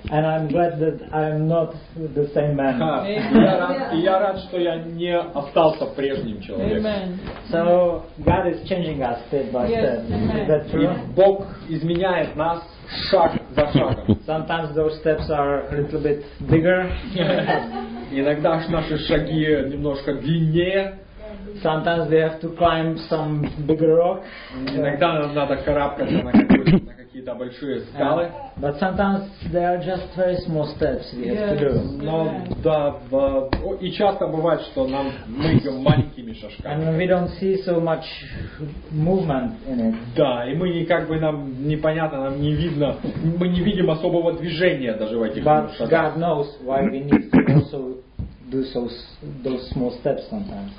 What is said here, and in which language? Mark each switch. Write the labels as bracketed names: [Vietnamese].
[English] And I'm glad that I'm not the same man. [Russian] Я рад, что я не остался прежним человеком. [English] So God is changing us step by step. [Russian] Бог изменяет нас шаг за шагом. [English] Sometimes those steps are a little bit bigger. [Russian] Иногда наши шаги немножко длиннее. [English] Sometimes we have to climb some bigger rock. [Russian] Иногда нам надо карабкаться на какие-то большие скалы. [English] But sometimes they are just very small steps we have to do. [Russian] Но да, и часто бывает, что мы идем маленькими шажками. [English] And we don't see so much movement in it. [Russian] Да, и мы нам непонятно, нам не видно, мы не видим особого движения даже в этих шагах. [English] But God knows why we need to also do those small steps sometimes.